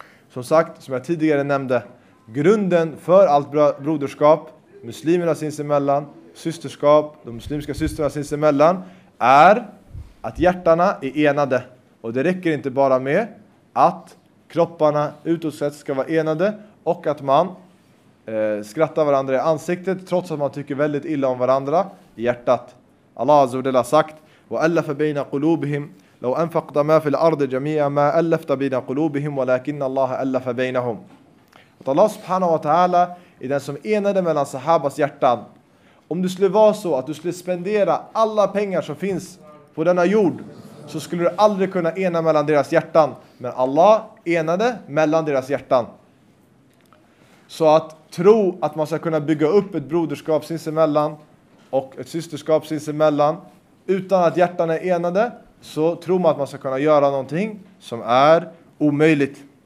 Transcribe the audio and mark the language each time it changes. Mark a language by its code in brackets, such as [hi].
[sv] Som sagt, som jag tidigare nämnde, grunden för allt broderskap, muslimerna sinsemellan, systerskap, de muslimska systrarna sinsemellan, är att hjärtana är enade. Och det räcker inte bara med att kropparna utåt sett ska vara enade och att man skrattar varandra i ansiktet trots att man tycker väldigt illa om varandra i hjärtat. Allah azza wa jalla har sagt: [ar] وَأَلَّفَ بَيْنَ قُلُوبِهِمْ لَوْ أَنْفَقْتَ مَا فِي الْأَرْضِ جَمِيعًا مَا أَلَّفْتَ بَيْنَ قُلُوبِهِمْ وَلَكِنَّ اللَّهَ أَلَّفَ بَيْنَهُمْ. [sv] Att Allah subhanahu wa ta'ala är den som enade mellan sahabas hjärtan. Om du skulle vara så att du skulle spendera alla pengar som finns på denna jord, så skulle du aldrig kunna ena mellan deras hjärtan. Men Allah enade mellan deras hjärtan. Så att tro att man ska kunna bygga upp ett broderskap sinsemellan och ett systerskap sinsemellan utan att hjärtan är enade, så tror man att man ska kunna göra någonting som är omöjligt.